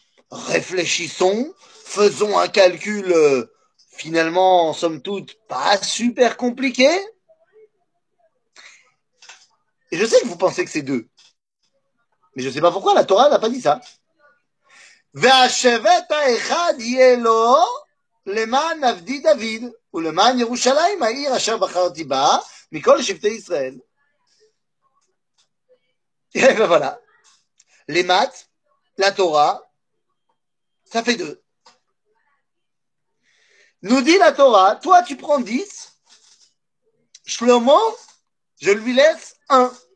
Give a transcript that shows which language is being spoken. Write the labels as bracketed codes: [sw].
[fr] Réfléchissons, faisons un calcul finalement, en somme toute, pas super compliqué. Et je sais que vous pensez que c'est 2. Mais je ne sais pas pourquoi, la Torah n'a pas dit ça. [he] והשבט האחד יהיה לו למען עבדי דוד ולמען ירושלים העיר אשר בחרתי בה מכל שבטי ישראל. [fr] Et voilà. Les maths, la Torah, ça fait 2. Nous dit la Torah, toi tu prends 10, Shlomo, je lui laisse 1.